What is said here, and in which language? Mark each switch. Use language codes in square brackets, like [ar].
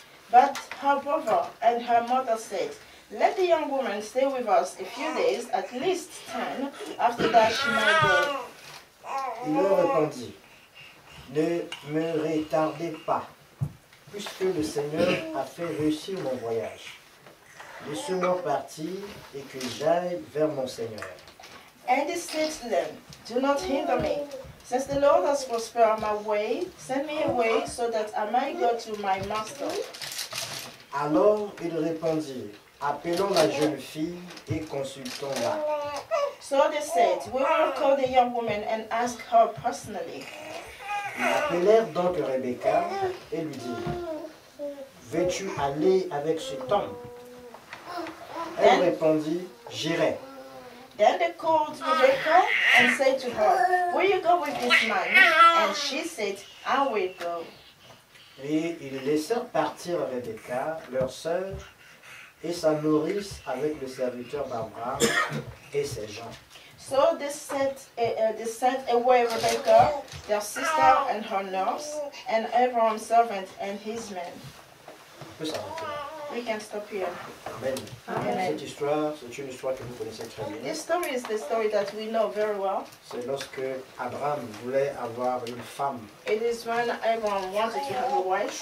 [en] But her brother and her mother said, let the young woman stay with us a few days, at least 10, after that she might go. [fr] Il leur répondit, ne me retardez pas, puisque le Seigneur a fait réussir mon voyage. Laissez-moi partir et que j'aille vers mon Seigneur. [en] And he said to them, do not hinder me. Since the Lord has prospered my way, send me away so that I might go to my master. [fr] Alors ils répondirent, appelons la jeune fille et consultons-la. [en] So they said, we will call the young woman and ask her personally. [fr] Ils appelèrent donc Rebecca et lui dirent, veux-tu aller avec cet homme? Elle répondit, j'irai. [en] Then they called Rebecca and said to her, Will you go with this man? Wow. And she said, I will go. [fr] Et ils laissèrent partir Rebecca, leur sœur, et sa nourrice avec le serviteur d'Abraham et ses gens. [en] So they sent away Rebecca, their sister and her nurse, and Abraham's servant and his men. We can stop here. Amen. Amen. [fr] Cette histoire, c'est une histoire que vous connaissez très bien. [en] This story is the story that we know very well. [fr] C'est lorsque Abraham voulait avoir une femme. [en] It is when Abraham wanted to have a wife.